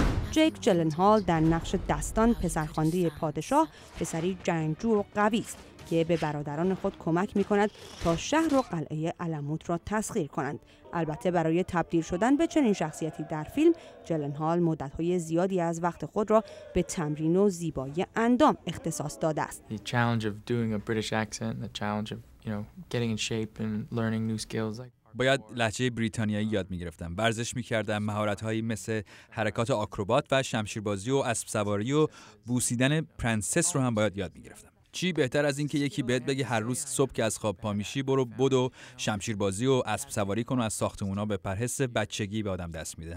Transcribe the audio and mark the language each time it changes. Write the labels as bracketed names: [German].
[Persian] جیک جلنهال در نقش داستان پسرخوانده پادشاه، پسری جنگجو و قوی است که به برادران خود کمک می‌کند تا شهر و قلعه الموت را تسخیر کنند. البته برای تبدیل شدن به چنین شخصیتی در فیلم، جلنهال مدت‌های زیادی از وقت خود را به تمرین و زیبایی اندام اختصاص داده است. [English] The challenge of doing a British accent, the challenge of, you know, getting in shape and learning new skills like... [Persian] باید لهجه بریتانیایی یاد می‌گرفتم، ورزش می‌کردم، مهارت‌هایی مثل حرکات آکروبات و شمشیربازی و اسب سواری و بوسیدن پرنسس رو هم باید یاد می‌گرفتم. چی بهتر از این که یکی بهت بگه هر روز صبح که از خواب پا میشی برو بدو شمشیر بازی و اسب سواری کن و از ساختمونا به پرهس بچگی به آدم دست میده.